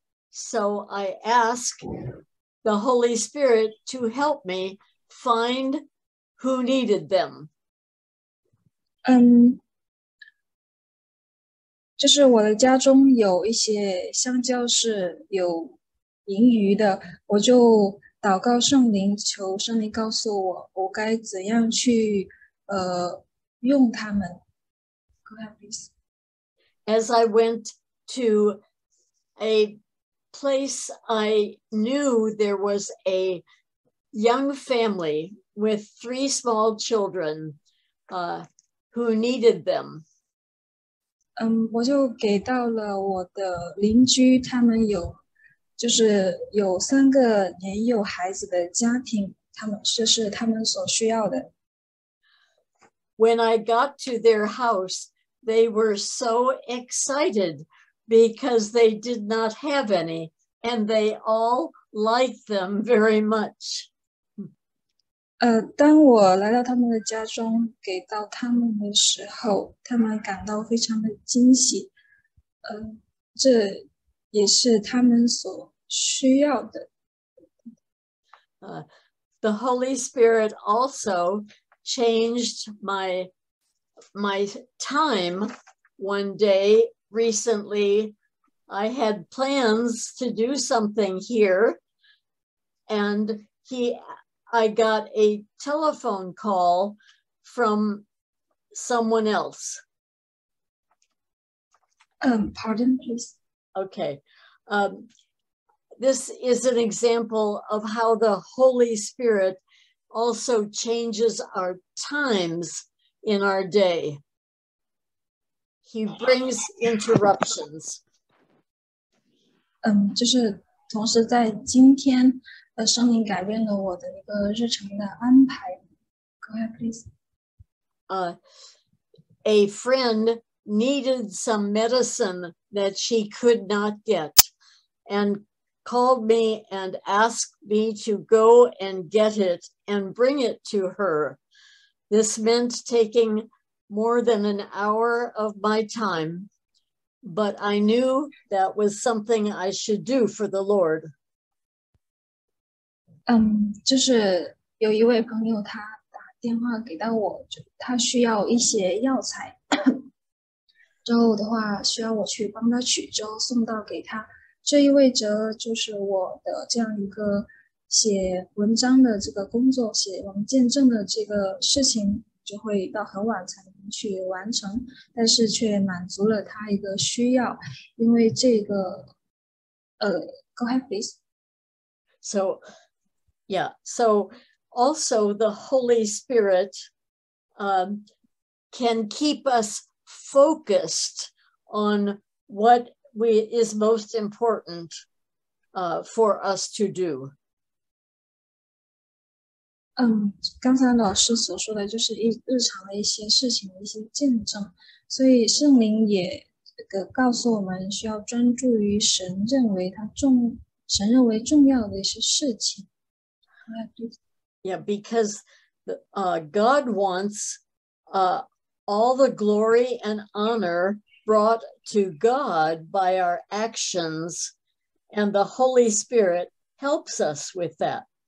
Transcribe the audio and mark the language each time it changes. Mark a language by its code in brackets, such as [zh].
[en] So I asked the Holy Spirit to help me find who needed them. [zh] 就是我的家中有一些香蕉是有盈余的，我就祷告圣灵，求圣灵告诉我，我该怎样去用它们。 [en] Go ahead, please. As I went to a place, I knew there was a young family with three small children, who needed them. [zh] 我就给到了我的邻居，他们有，就是有三个年幼孩子的家庭，这是他们所需要的。 [en] When I got to their house, they were so excited because they did not have any, and they all liked them very much. [zh] 当我来到他们的家中给到他们的时候，他们感到非常的惊喜，这也是他们所需要的。 [en] The Holy Spirit also changed my time one day recently. I had plans to do something here, and I got a telephone call from someone else. Pardon, please. Okay. This is an example of how the Holy Spirit also changes our times in our day. He brings interruptions. [zh] 就是同时在今天圣灵改变了我的一个日程的安排。 [en] Go ahead, please. A friend needed some medicine that she could not get and called me and asked me to go and get it and bring it to her. This meant taking more than an hour of my time, but I knew that was something I should do for the Lord. [zh] 就是有一位朋友他打电话给到我，就他需要一些药材之后的话需要我去帮他取，之后送到给他，这意味着就是我的这样一个写文章的这个工作，写文见证的这个事情就会到很晚才能去完成，但是却满足了他一个需要，因为这个 [en] Go ahead, please. So also the Holy Spirit can keep us focused on what we is most important for us to do. [zh] 刚才老师所说的就是日常的一些事情的一些见证，所以圣灵也告诉我们需要专注于神认为他重神认为重要的一些事情。 [en] Yeah, because God wants all the glory and honor brought to God by our actions, and the Holy Spirit helps us with that.